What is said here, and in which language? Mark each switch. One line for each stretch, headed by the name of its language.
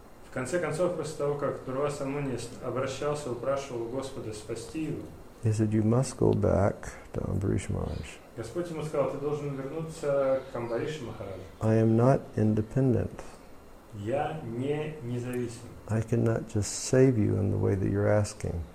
Russian: В конце концов, после того, как Дурваса Муни обращался, упрашивал Господа спасти его,
English: he said, you must go back to Ambarish Maharaj.
Russian: Господь ему сказал, ты должен вернуться к Амбаришу Махараджу.
English: I am not independent.
Russian: Я не независим.
English: I cannot just save you in the way that you're asking.